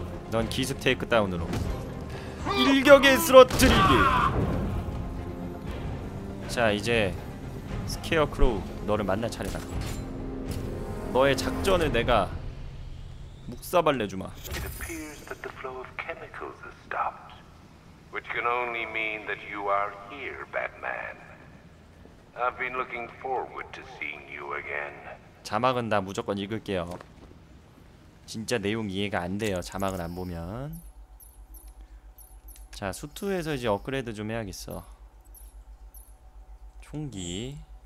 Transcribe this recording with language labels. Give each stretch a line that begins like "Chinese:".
Korean: 넌 기습 테이크다운으로 일격에 쓰러뜨리기. 자 이제 스케어크로우 너를 만날 차례다. 너의 작전을 내가 묵사발레주마.
English: It appears that the flow of chemicals has stopped, which can only mean that you are here, Batman. I've been looking forward to seeing you again.
Korean: 자막은 나 무조건 읽을게요. 진짜 내용 이해가 안 돼요. 자막을 안 보면. 자, 수트에서 이제 업그레이드 좀 해야겠어. 총기.